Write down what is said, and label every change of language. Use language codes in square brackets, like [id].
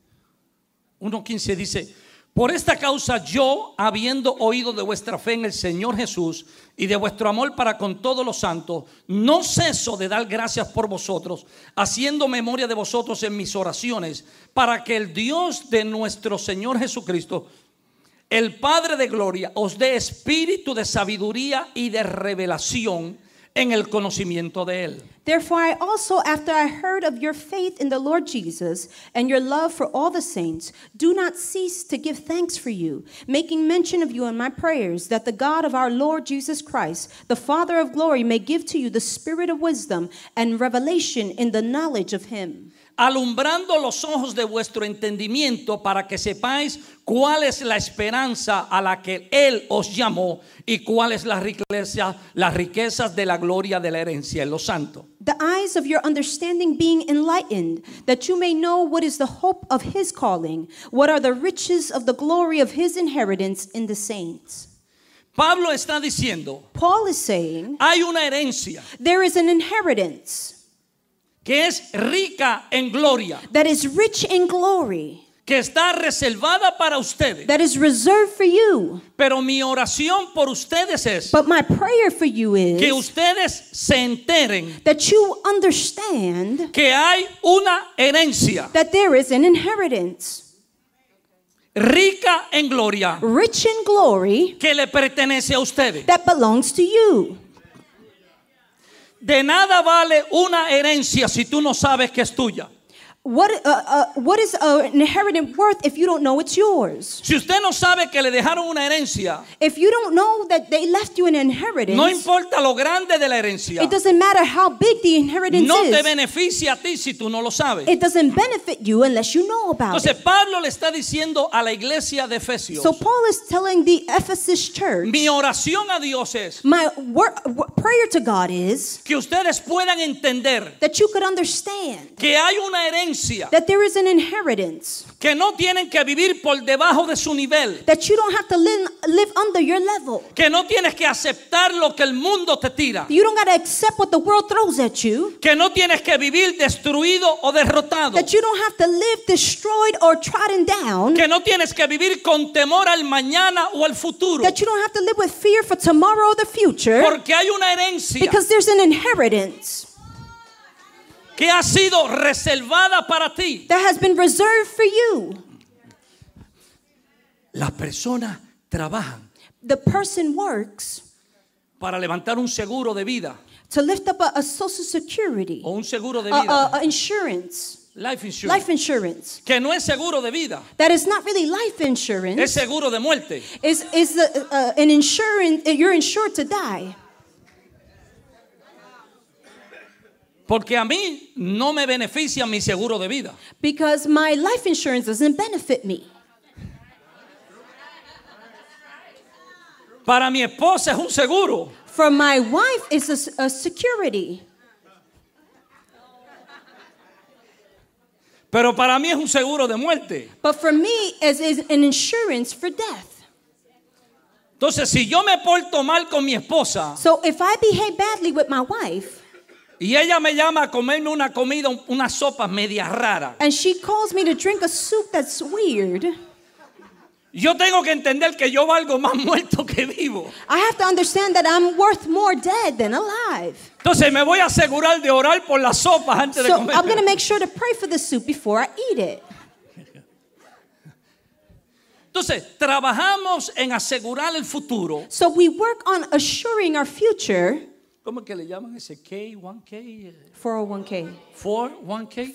[es] 15. 1:15 dice, por esta causa yo, habiendo oído de vuestra fe en el Señor Jesús y de vuestro amor para con todos los santos, no ceso de dar gracias por vosotros, haciendo memoria de vosotros en mis oraciones, para que el Dios de nuestro Señor Jesucristo, el Padre de gloria, os dé espíritu de sabiduría y de revelación en el conocimiento de él. [en] Therefore, I also, after I heard of your faith in the Lord Jesus and your love for all the saints, do not cease to give thanks for you, making mention of you in my prayers, that the God of our Lord Jesus Christ, the Father of glory, may give to you the spirit of wisdom and revelation in the knowledge of him. [es] Alumbrando los ojos de vuestro entendimiento para que sepáis cuál es la esperanza a la que Él os llamó y cuál es las riquezas de la gloria de la herencia en los santos. [en] The eyes of your understanding being enlightened, that you may know what is the hope of His calling, what are the riches of the glory of His inheritance in the saints. [es] Pablo está diciendo, [en] Paul is saying, [es] hay una herencia. [en] There is an inheritance. [es] Que es rica en gloria. [en] That is rich in glory. [es] Que está reservada para ustedes. [en] That is reserved for you. [es] Pero mi oración por ustedes es. [en] But my prayer for you is. [es] Que ustedes se enteren. [en] That you understand. [es] Que hay una herencia. [en] That there is an inheritance. [es] Rica en gloria. [en] Rich in glory. [es] Que le pertenece a ustedes. [en] That belongs to you. [es] De nada vale una herencia si tú no sabes que es tuya. [en] What is an inheritance worth if you don't know it's yours? [es] Si usted no sabe que le dejaron una herencia, [en] if you don't know that they left you an inheritance, [es] no importa lo grande de la herencia, [en] it doesn't matter how big the inheritance [es] no [en] is. [es] No te beneficia a ti si tú no lo sabes. [en] It doesn't benefit you unless you know about [es] entonces, [en] it. [es] Entonces Pablo le está diciendo a la iglesia de Efesios. [en] So Paul is telling the Ephesus church. [es] Mi oración a Dios es. [en] My prayer to God is [es] que ustedes puedan entender [en] that you could understand [es] que hay una herencia. [en] That there is an inheritance. [es] Que no tienen que vivir por debajo de su nivel. [en] That you don't have to live under your level. [es] Que no tienes que aceptar lo que el mundo te tira. [en] You don't got to accept what the world throws at you. [es] Que no tienes que vivir destruido o derrotado. [en] That you don't have to live destroyed or trodden down. [es] Que no tienes que vivir con temor al mañana o al futuro. [en] That you don't have to live with fear for tomorrow or the future. [es] Porque hay una herencia. [en] Because there's an inheritance. [es] Que ha sido reservada para ti. [en] That has been reserved for you. [es] Las personas trabajan. [en] The person works. [es] Para levantar un seguro de vida. [en] To lift up a social security. [es] O un seguro de vida. [en] Insurance. Life insurance. Life insurance. [es] Que no es seguro de vida. [en] That is not really life insurance. [es] Es seguro de muerte. [en] Is an insurance. You're insured to die. [es] Porque a mí no me beneficia mi seguro de vida. [en] Because my life insurance doesn't benefit me. [es] Para mi esposa es un seguro. [en] For my wife is a security. [es] Pero para mí es un seguro de muerte. [en] But for me is an insurance for death. [es] Entonces si yo me porto mal con mi esposa. [en] So if I behave badly with my wife. [es] Y ella me llama a comerme una comida, una sopa media rara. [en] And she calls me to drink a soup that's weird. [es] Yo tengo que entender que yo valgo más muerto que vivo. [en] I have to understand that I'm worth more dead than alive. [es] Entonces me voy a asegurar de orar por la sopa antes de comer. [en] I'm going to make sure to pray for the soup before I eat it. [es] Entonces, trabajamos en asegurar el futuro. [en] So we work on assuring our future. [es] ¿Cómo que le llaman ese K, 1K? [en] 401K. 401K.